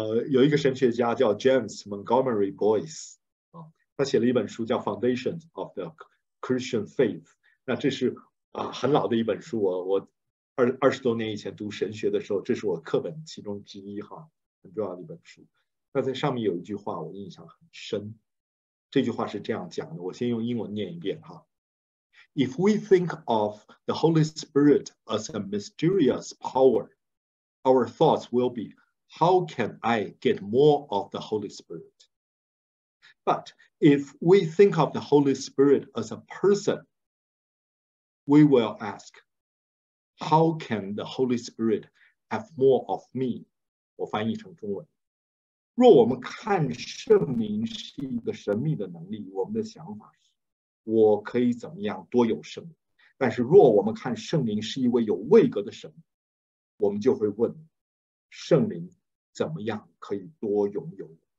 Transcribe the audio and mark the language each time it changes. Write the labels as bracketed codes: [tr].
[zh] 有一个神学家叫 James Montgomery Boyce，他写了一本书叫 Foundation of the Christian Faith。那这是很老的一本书，我二十多年以前读神学的时候，这是我课本其中之一哈，很重要的一本书。那在上面有一句话我印象很深，这句话是这样讲的，我先用英文念一遍哈。 [en] If we think of the Holy Spirit as a mysterious power, our thoughts will be, how can I get more of the Holy Spirit? But if we think of the Holy Spirit as a person, we will ask, how can the Holy Spirit have more of me? [zh] 我翻译成中文。若我们看圣灵是一个神秘的能力，我们的想法是，我可以怎么样多有圣灵？但是若我们看圣灵是一位有位格的神，我们就会问，圣灵怎么样可以多拥有？